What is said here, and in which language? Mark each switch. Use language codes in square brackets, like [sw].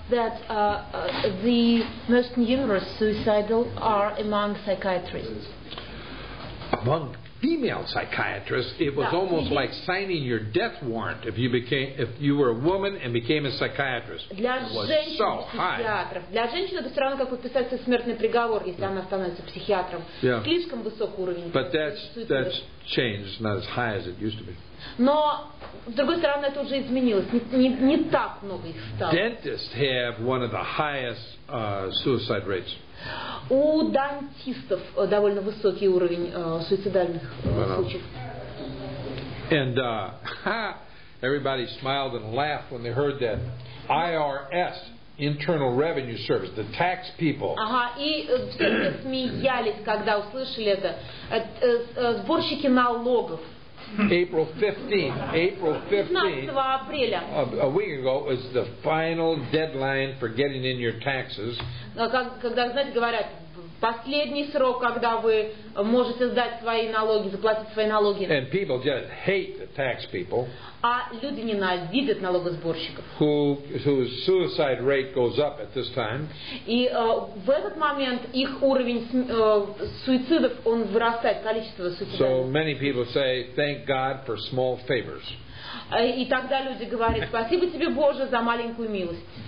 [en] That the most numerous suicidal are among psychiatrists. Among female psychiatrists, it was almost like signing your death warrant if you were a woman and became a psychiatrist. [ru] Для женщин-психиатров. Для женщин это все равно как подписать смертный приговор, если она становится психиатром. Слишком высокий уровень. [en] But that's changed, not as high as it used to be. [ru] Но с другой стороны, это уже изменилось. Не так много их стало. [en] Dentists have one of the highest suicide rates. [ru] У дантистов довольно высокий уровень суицидальных случаев. [en] And everybody smiled and laughed when they heard that IRS, Internal Revenue Service, the tax people. [ru] Ага, и все смеялись, когда услышали это. Сборщики налогов. [en] April 15th, a week ago, was the final deadline for getting in your taxes. [ru] Когда, знаете, говорят, Последний срок, когда вы можете сдать свои налоги, заплатить свои налоги. [en] And people just hate the tax people. [ru] А люди ненавидят налогосборщиков. [en] Whose suicide rate goes up at this time. [ru] И в этот момент их уровень суицидов, он вырастает, количество суицидов. [en] So many people say, thank God for small favors. [ru] И тогда люди говорят, спасибо тебе, Боже, за маленькую милость.